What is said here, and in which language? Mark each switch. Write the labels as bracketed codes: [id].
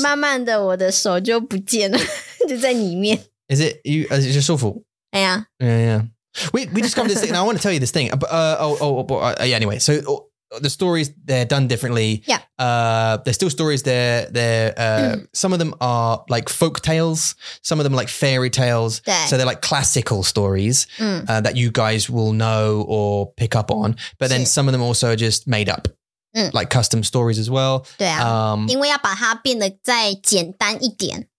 [zh] 慢慢的我的手就不见了, 就在里面。 [en] Is it, you, is it 舒服? Yeah. Yeah, yeah. We just got this thing, and I want to tell you this thing. Anyway, so the stories, they're done differently. Yeah. There's still stories there. Some of them are like folk tales. Some of them are like fairy tales. So they're like classical stories that you guys will know or pick up on. But then some of them also are just made up, like custom stories as well. [zh] 对啊,因为要把它变得再简单一点。